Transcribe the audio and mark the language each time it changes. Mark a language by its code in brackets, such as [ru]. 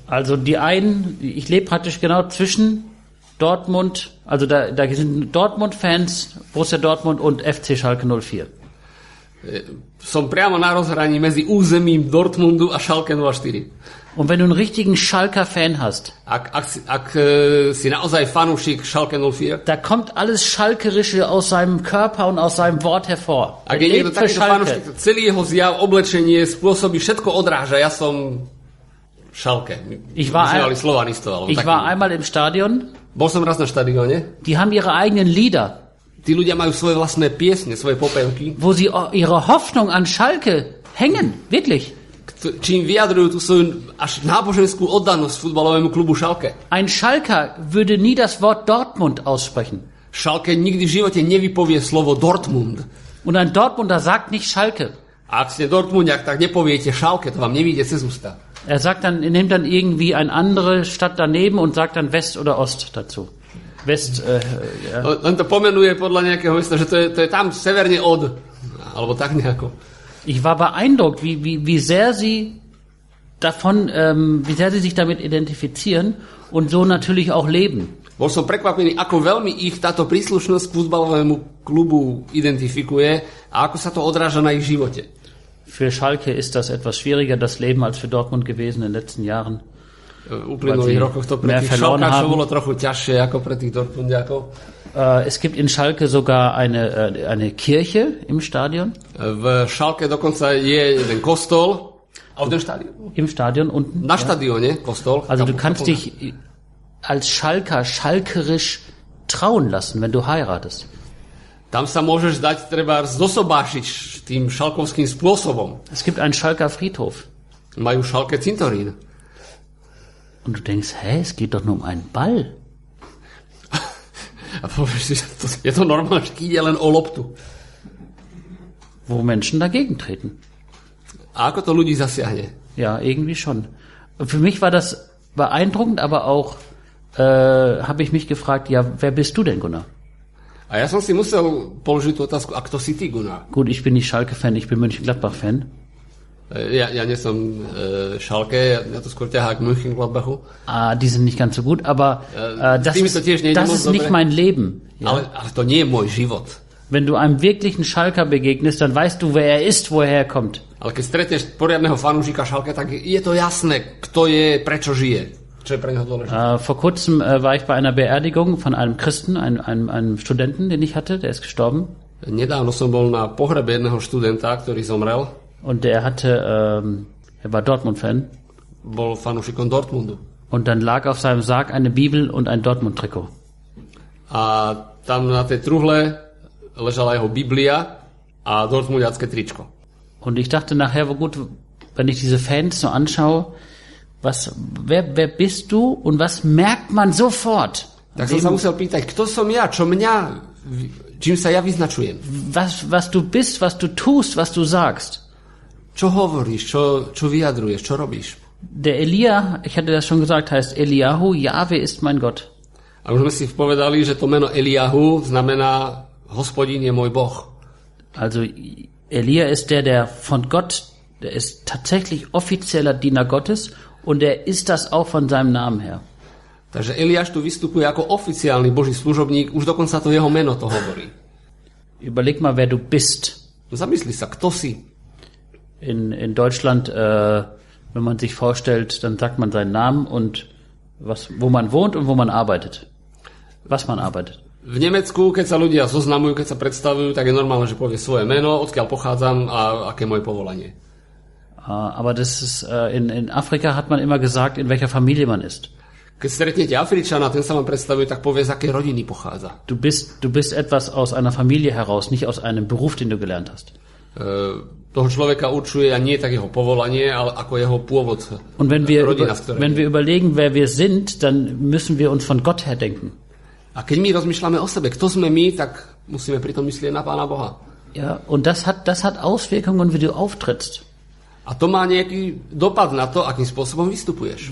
[de] Also die einen, ich lebe praktisch genau zwischen Dortmund, also da sind Dortmund-Fans, Borussia Dortmund und FC Schalke 04. [sk] Som priamo na rozhraní medzi územím Dortmundu a Schalke 04. [de] Und wenn du einen richtigen Schalker-Fan hast, [sk] ak si naozaj fanúšik Schalke 04, [de] da kommt alles Schalkerische aus seinem Körper und aus seinem Wort hervor. [sk] Ak je niekto takýto fanúšik, celý jeho zjav, oblečenie, spôsobí, všetko odráža, ja som Schalke. [de] Ich war einmal im Stadion. [sk] Bol som raz na štadióne. [de] Die haben ihre eigenen Lieder. [sk] Die ľudia majú svoje vlastné piesne, svoje popevky. [de] Wo sie ihre Hoffnung an Schalke hängen, wirklich. [sk] Čím vyjadrujú tú svoju až náboženskú oddanosť futbalovému klubu Schalke. [de] Ein Schalker würde nie das Wort Dortmund aussprechen. [sk] Schalke nikdy v živote nevypovie slovo Dortmund. [de] Und ein Dortmunder sagt nicht Schalke. [sk] A ak ste Dortmundiak, tak nepoviete Schalke, to vám nevyjde cez ústa. [de] Er sagt dann, nimmt dann irgendwie eine andere Stadt daneben und sagt dann West oder Ost dazu. West, ja. [sk] On to pomenuje podľa nejakého mesta, že to je tam severne od, alebo tak nejako. [de] Ich war beeindruckt, wie sehr sie sich damit identifizieren und so natürlich auch leben. [sk] Bol som prekvapený, ako veľmi ich táto príslušnosť k futbalovému klubu identifikuje a ako sa to odráža na ich živote. [de] Für Schalke ist das etwas schwieriger, das Leben, als für Dortmund gewesen in den letzten Jahren. [sk] Uplynulých rokoch to pre tých Schalkáčov bolo trochu ťažšie ako pre tých Dortmundiakov. [de] Es gibt in Schalke sogar eine Kirche im Stadion. [sk] V Schalke dokonca je jeden kostol. [de] Auf dem Stadion. Im Stadion unten. [sk] Na stadione, kostol. [de] Also du kannst dich als Schalker schalkerisch trauen lassen, wenn du heiratest. [sk] Tam sa môžeš dať treba zosobášiť tým šalkovským spôsobom. [de] Es gibt einen Schalker Friedhof. [sk] Majú Schalke cintorín. [de] Und du denkst, hä, es geht doch nur um einen Ball. [sk] A povieš si, je to normálne, že ide len o loptu. [de] Wo Menschen dagegen treten. [sk] A ako to ľudí zasiahne? [de] Ja, irgendwie schon. Für mich war das beeindruckend, aber auch habe ich mich gefragt, ja, wer bist du denn, Gunnar? [sk] A ja som si musel položiť tú otázku, a kto si ty, Gunnar? [de] Gut, ich bin nicht Schalke-Fan, ich bin Mönchengladbach-Fan. [sk] Ja nie som Schalke, ja to skôr ťahá k Mönchengladbachu. [de] A die sind nicht ganz so gut, aber das ist nicht mein Leben. [sk] Ja? Ale to nie je môj život. [de] Wenn du einem wirklichen Schalker begegnest, dann weißt du, wer er ist, woher er kommt. [sk] Ale keď stretieš poriadneho fanúšika Schalke, tak je to jasné, kto je, prečo žije. [de] Vor kurzem war ich bei einer Beerdigung von einem Christen, einem Studenten, den ich hatte, der ist gestorben. [sk] Nedávno som bol na pohrebe jedného študenta, ktorý zomrel. [de] Und er war Dortmund-Fan. [sk] Bol fanúšikom Dortmundu. [de] Und dann lag auf seinem Sarg eine Bibel und ein Dortmund-Trikot. [sk] A tam na tej truhle ležala jeho Biblia a Dortmundiacke tričko. [de] Und ich dachte nachher, wo gut, wenn ich diese Fans so anschaue, wer bist du und was merkt man sofort? [sk] Tak som sa musel pýtať, kto som ja, čo mňa, čím sa ja vyznačujem? [de] Was du bist, was du tust, was du sagst. [sk] Čo hovoríš, čo vyjadruješ, čo robíš? [de] Der Elia, ich hatte das schon gesagt, heißt Eliahu, Jahwe ist mein Gott. [sk] A už sme si povedali, že to meno Eliahu znamená Hospodin je môj Boh. [de] Also Elia ist der von Gott, der ist tatsächlich offizieller Diener Gottes und er ist das auch von seinem Namen her. [sk] Takže Eliáš tu vystupuje ako oficiálny Boží služobník, už dokonca to jeho meno to hovorí. [de] Überleg mal, wer du bist. [sk] No zamysli sa, kto si? [de] In Deutschland, wenn man sich vorstellt, dann sagt man seinen Namen und was, wo man wohnt und wo man arbeitet. Was man arbeitet. [sk] V Nemecku, keď sa ľudia zoznamujú, keď sa predstavujú, tak je normálne, že povie svoje meno, odkiaľ pochádzam a aké moje povolanie. [de] Aber das ist, in Afrika hat man immer gesagt, in welcher Familie man ist. [sk] Keď stretnete Afričana, ten sa vám predstavuje, tak povie, z akej rodiny pochádza. [de] Du bist etwas aus einer Familie heraus, nicht aus einem Beruf, den du gelernt hast. [sk] Toho človeka určuje a nie tak jeho povolanie, ale ako jeho pôvod. [de] Und wenn wir überlegen, wer wir sind, dann müssen wir uns von Gott her denken. [sk] A keď my rozmýšľame o sebe, kto sme my, tak musíme pri tom myslieť na Pána Boha. [de] Ja, und das hat Auswirkungen, wie du auftrittst. [sk] A to má nejaký dopad na to, akým spôsobom vystupuješ.